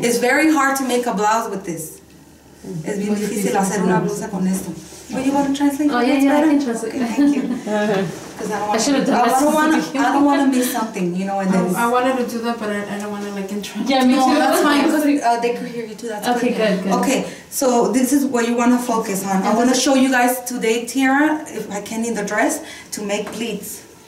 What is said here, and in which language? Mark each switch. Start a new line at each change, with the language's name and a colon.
English: It's very hard to make a blouse with this.
Spanish: Es bien difícil hacer una blusa con esto.
English: Oh, you want to translate? Oh, yeah, better? I can translate. Okay, thank you. I should have done that. I don't want to miss something, you know, and then. I wanted to do that, but I don't want to, like, interrupt. Yeah, me too. No, that's fine. They could hear you too. That's okay, good. Okay, so this is what you want to focus on. I want to show you guys today, Tiara, if I can, in the dress, to make pleats.